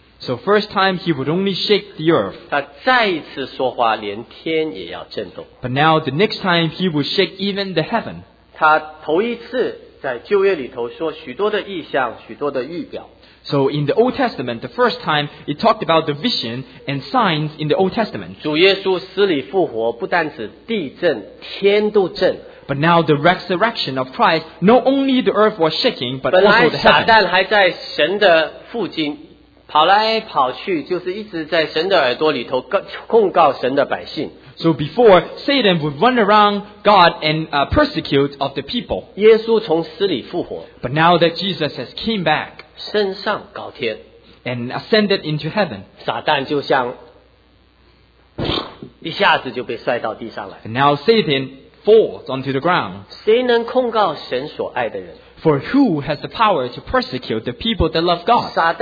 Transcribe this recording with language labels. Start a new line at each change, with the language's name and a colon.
English: So first time he would only shake the earth.
Chinese: 他再一次说话，连天也要震动。
English: But now the next time he would shake even the heaven.
Chinese: 他头一次在旧约里头说许多的意象，许多的预表。
English: So in the Old Testament, the first time, it talked about the vision and signs in the Old Testament.
Chinese: 主耶稣死里复活，不但只地震，天都震。
English: But now the resurrection of Christ, not only the earth was shaking, but also the heaven.
Chinese: 本来撒旦还在神的附近, 跑来跑去, 就是一直在神的耳朵里头, 控告神的百姓。
English: So before, Satan would run around God and persecute of the people.
Chinese: 耶稣从死里复活,
English: but now that Jesus has came back,
Chinese: 升上高天,
English: and ascended into heaven,
Chinese: 撒旦就像, 一下子就被摔到地上来,
English: and now Satan falls onto the ground.
Chinese: 谁能控告神所爱的人?
English: For who has the power to persecute the people that love God?